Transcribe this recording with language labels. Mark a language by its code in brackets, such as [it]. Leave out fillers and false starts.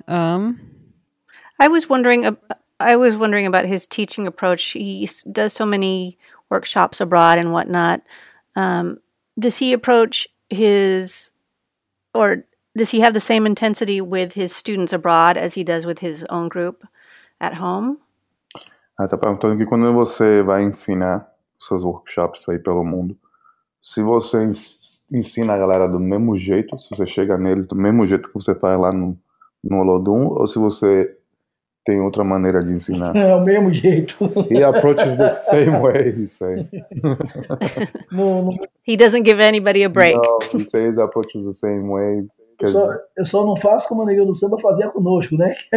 [en] I was wondering about his teaching approach. He does so many workshops abroad and whatnot. Does he approach his, or does he have the same intensity with his students abroad as he does with his own group at home? [pt] Ah, tá perguntando que quando você vai ensinar seus workshops aí pelo mundo, se você ensina a galera do mesmo jeito, se você chega neles do mesmo jeito que você faz lá no Olodum, ou se você tem outra maneira de ensinar? É o mesmo jeito. [en] He approaches the same way, he says. No. He doesn't give anybody a break. No, he says approaches the same way. [pt] Eu só não faço como a Neguinho do Samba fazia conosco, né?